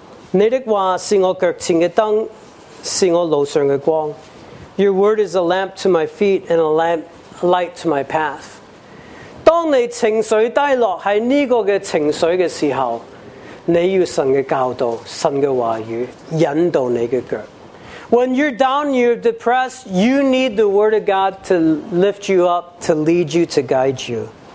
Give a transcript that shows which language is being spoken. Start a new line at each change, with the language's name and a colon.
Chinese: 你的话是我脚前的灯,是我路上的光。
English: Your word is a lamp to my feet and a light to my path.
Chinese: 当你情绪低落,是这个情绪的时候, 你要神的教导,神的话语,引导你的脚。
English: When you're down, you're depressed, you need the Word of God to lift you up, to lead you, to guide you.